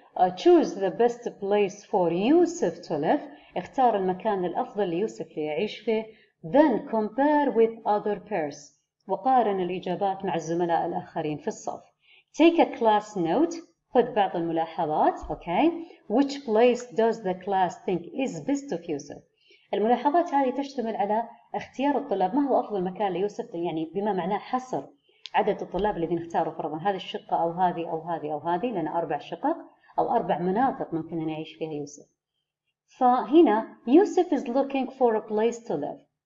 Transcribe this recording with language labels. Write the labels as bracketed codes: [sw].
[en] Choose the best place for Yusuf to live, [ar] اختار المكان الأفضل ليوسف ليعيش فيه. [en] Then compare with other pairs, [ar] وقارن الإجابات مع الزملاء الآخرين في الصف. [en] Take a class note, [ar] خذ بعض الملاحظات. [en] Okay. Which place does the class think is best of Yusuf? [ar] الملاحظات هذه تشتمل على اختيار الطلاب ما هو أفضل مكان ليوسف, يعني بما معناه حصر عدد الطلاب الذين اختاروا فرضا هذه الشقة أو هذه أو هذه أو هذه, لأن أربع شقق أو أربع مناطق ممكن أن يعيش فيها يوسف. فهنا [en] يوسف is looking for a place to live.